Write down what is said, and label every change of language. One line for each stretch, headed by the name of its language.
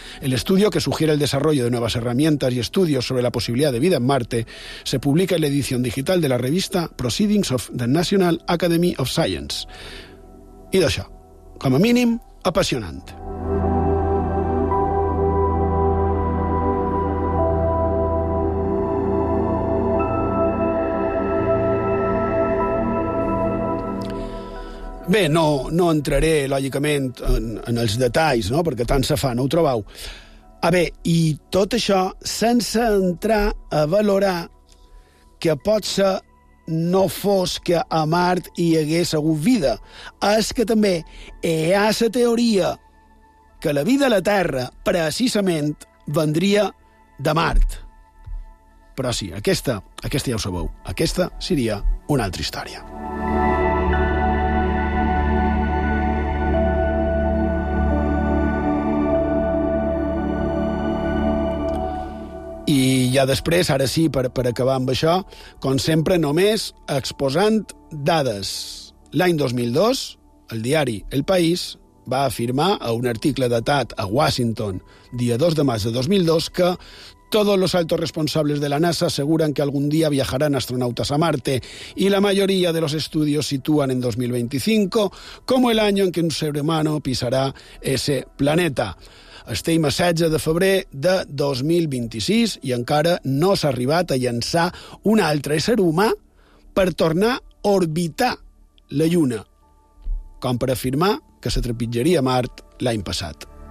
Spanish: El estudio, que sugiere el desarrollo de nuevas herramientas y estudios sobre la posibilidad de vida en Marte, se publica en la edición digital de la revista Proceedings of the National Academy of Science.
Catalan: I d'això, com a mínim, apassionant. Bé, no entraré, lògicament, en els detalls, no? Perquè tant se fa, no ho trobeu. A bé, i tot això sense entrar a valorar que pot ser no fos que a Mart hi hagués hagut vida. És que també hi ha la teoria que la vida a la Terra precisament vendria de Mart. Però sí, aquesta ja ho sabeu. Aquesta seria una altra història. I ja després, ara sí, per acabar amb això, com sempre, només exposant dades. L'any 2002, el diari El País va afirmar a un article datat a Washington, dia 2 de març de 2002, que
Spanish: todos los altos responsables de la NASA aseguran que algún día viajarán astronautas a Marte y la mayoría de los estudios sitúan en 2025 como el año en que un ser humano pisará ese planeta.
Catalan: Estem a 16 de febrer de 2026 i encara no s'ha arribat a llançar un altre ésser humà per tornar a orbitar la Lluna, com per afirmar que se trepitjaria Mart l'any passat.